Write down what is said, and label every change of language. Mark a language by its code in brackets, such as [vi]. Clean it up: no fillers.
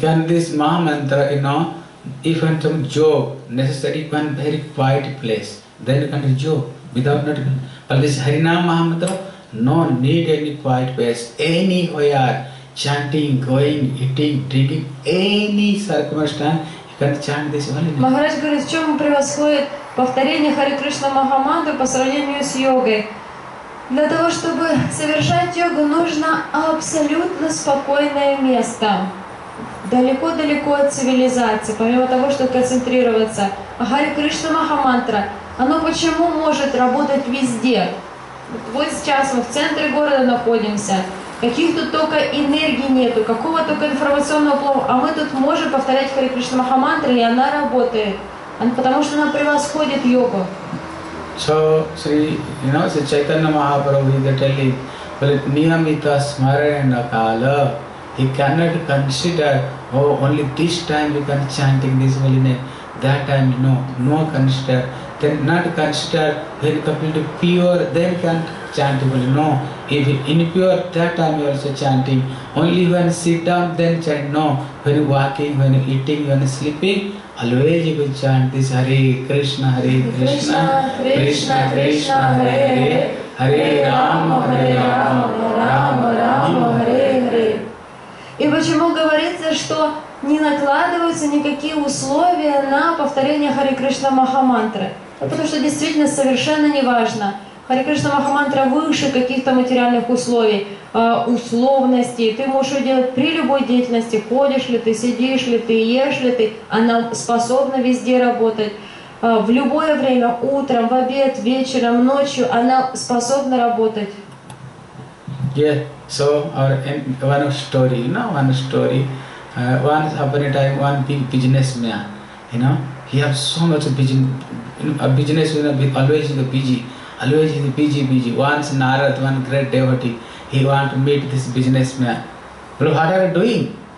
[en] If you want some yoga, necessary one very quiet place, then you can do yoga without not. But this Harinam Mahamantra, no need any quiet place. Anywhere, chanting, going, eating, drinking, any circumstance, you [ru] Махарадж говорит, в чем превосходит повторение Харе Кришна Махамантры по сравнению с йогой? Для того, чтобы совершать йогу, нужно абсолютно спокойное место. Далеко-далеко от цивилизации, помимо того, что концентрироваться. А Харе Кришна Махамантра, оно почему может работать везде? Вот сейчас мы в центре города находимся. Каких тут только энергий нету, какого только информационного плова. А мы тут можем повторять Харе Кришна Махамантры, и она работает. Потому что она превосходит йогу. [en] So, see, you know, Sri Chaitanya Mahaprabhu, he tells you, well, if Niyamita Smarana Kala, he cannot consider, oh, only this time we can chanting this holy name, that time, no, no consider, then not consider, when completely pure, then can chant holy, no, if impure, that time you also chanting, only when sit down, then chant, no, when walking, when eating, when sleeping, always you will chant this Hare Krishna, Krishna, Krishna, Hare Hare, Hare Rama, Hare Rama, Rama, Rama, Hare Hare. [ru] И почему говорится, что не накладываются никакие условия на повторение Харе Кришна Махамантры? Потому что действительно совершенно не важно. Харе Кришна Махамантра выше каких-то материальных условий, условностей. Ты можешь ее делать при любой деятельности, ходишь ли ты, сидишь ли ты, ешь ли ты. Она способна везде работать. В любое время, утром, в обед, вечером, ночью, она способна работать. [en] Yeah, so our one story, you know, one story. Once upon a time, one big businessman, you know, he has so much business, you know, always in the busy, always in the busy, busy. Once Narad, one great devotee, he want to meet this businessman. But what are you doing?